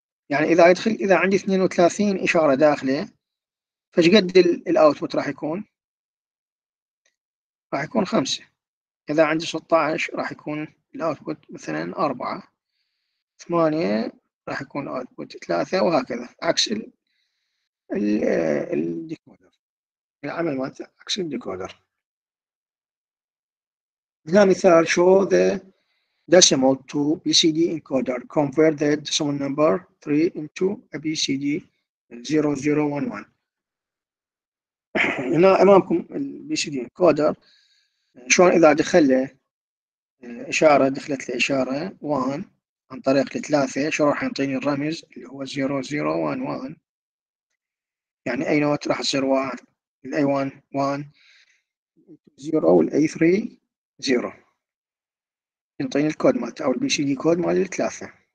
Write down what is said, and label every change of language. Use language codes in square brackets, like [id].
[ar] يعني اذا يدخل اذا عندي 32 اشاره داخله، فايش قد الاوتبوت راح يكون؟ راح يكون 5. إذا عندي 16 راح يكون الأوتبوت مثلا 4، 8 راح يكون الأوتبوت 3، وهكذا عكس الديكودر. العمل مالته عكس الديكودر. هنا مثال [en] show the decimal to BCD encoder. Convert the decimal number 3 into a BCD 0011. [ar] هنا أمامكم الـ [en] BCD encoder. [ar] شلون اذا دخل له اشاره، دخلت له اشاره 1 عن طريق الثلاثه، شو راح يعطيني الرمز اللي هو 0011. يعني اي نوت راح تصير 1، الاي 1 0 والاي 3 0، يعطيني الكود مالته او البي سي دي كود مال الثلاثه.